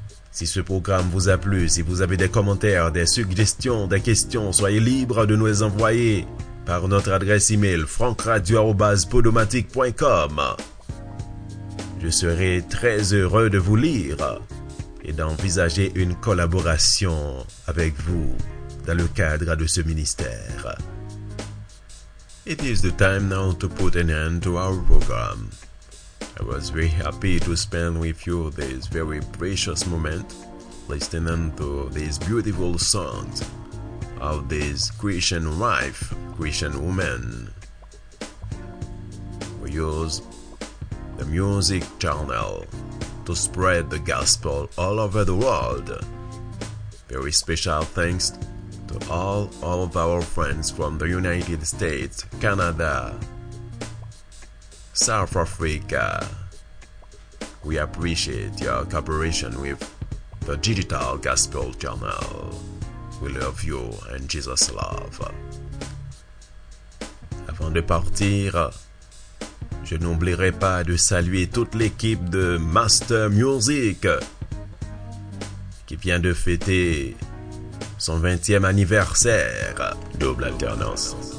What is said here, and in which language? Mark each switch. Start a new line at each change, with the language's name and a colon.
French: Si ce programme vous a plu, si vous avez des commentaires, des suggestions, des questions, soyez libre de nous les envoyer par notre adresse email francradio@podomatic.com. Je serai très heureux de vous lire et d'envisager une collaboration avec vous dans le cadre de ce ministère.
English: It is the time now to put an end to our program. I was very happy to spend with you this very precious moment listening to these beautiful songs of this Christian wife, Christian woman. We use the music channel to spread the gospel all over the world. Very special thanks to all of our friends from the United States, Canada, South Africa. We appreciate your cooperation with the Digital Gospel Channel. We love you and Jesus love.
French: Avant de partir, je n'oublierai pas de saluer toute l'équipe de Master Music qui vient de fêter son 20e anniversaire. Double alternance.